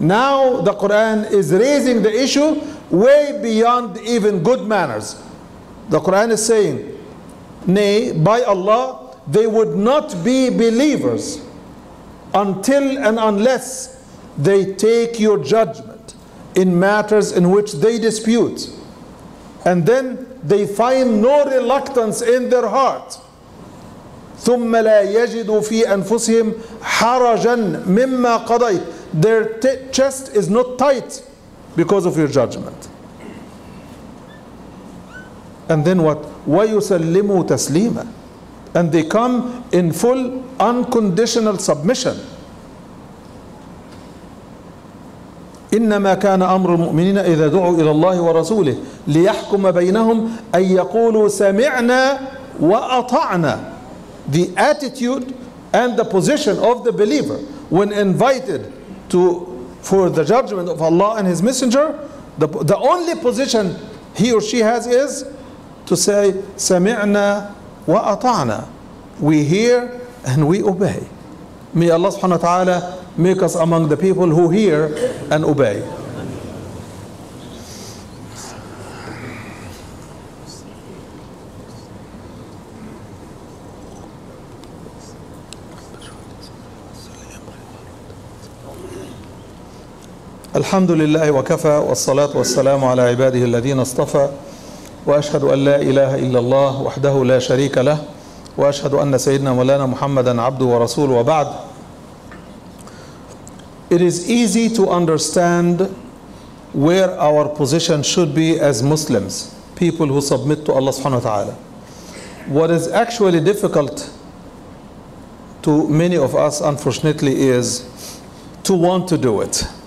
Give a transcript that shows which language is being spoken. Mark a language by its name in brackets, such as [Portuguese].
[English] Now the Quran is raising the issue way beyond even good manners. The Quran is saying, nay, by Allah, they would not be believers until and unless they take your judgment in matters in which they dispute. And then they find no reluctance in their heart. [Arabic] ثم لا يجدوا في أنفسهم حرجا مما قضيت. [English] Their chest is not tight because of your judgment. And then what? [Arabic] ويسلموا تسليما. [English] And they come in full unconditional submission. [Arabic] إنما كان أمر المؤمنين إذا دعوا إلى الله ورسوله ليحكم بينهم أن يقولوا سمعنا وأطعنا. [English] The attitude and the position of the believer when invited to for the judgment of Allah and His Messenger, the only position he or she has is to say [Arabic] سمعنا وأطعنا. [English] We hear and we obey. May Allah subhanahu wa ta'ala make us among the people who hear and obey. [Arabic] الحمد لله وكفى والصلاة والسلام على عباده الذين اصطفى وأشهد أن لا إله إلا الله وحده لا شريك له وأشهد أن سيدنا مولانا محمدا عبده ورسوله وبعد. [English] It is easy to understand where our position should be as Muslims, people who submit to Allah subhanahu wa ta'ala. What is actually difficult to many of us, unfortunately, is to want to do it.